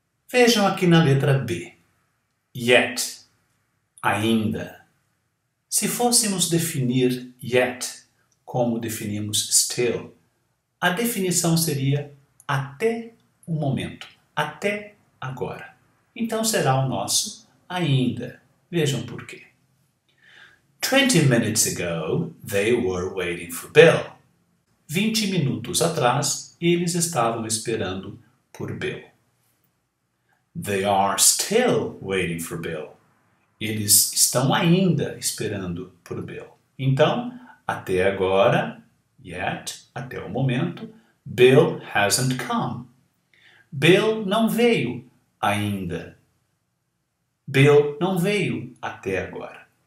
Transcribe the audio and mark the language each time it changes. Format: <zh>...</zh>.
<pt>Vejam aqui na letra B. Yet, ainda. Se fôssemos definir yet como definimos still, a definição seria até o momento, até agora. Então será o nosso ainda. Vejam por quê.</pt> <en>20 minutes ago, they were waiting for Bill.</en> <pt>20 minutos atrás, eles estavam esperando por Bill.</pt> <en>They are still waiting for Bill.</en> <pt>Eles estão ainda esperando por Bill. Então, até agora, yet, até o momento,</pt> <en>Bill hasn't come.</en> <pt>Bill não veio ainda. Bill não veio até agora.</pt>